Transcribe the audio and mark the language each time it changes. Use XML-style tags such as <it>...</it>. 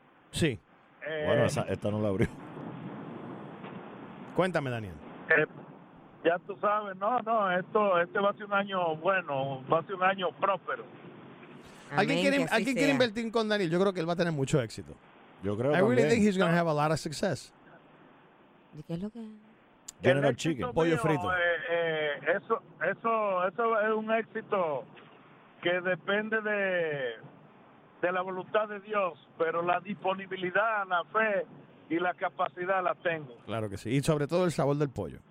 <es>Sí. Bueno, esta no la abrió. Cuéntame, Daniel. Ya tú sabes, este va a ser un año bueno, va a ser un año próspero. ¿Alguien quiere invertir con Daniel? Yo creo que él va a tener mucho éxito. Yo creo que</es> <en>I really think he's going to have a lot of success.</en> <es>¿Y qué es lo que...?</es> <en>General Chicken,</en> <es>pollo frito. Eso es un éxito que depende de la voluntad de Dios, pero la disponibilidad, la fe y la capacidad la tengo. Claro que sí, y sobre todo el sabor del pollo.</es>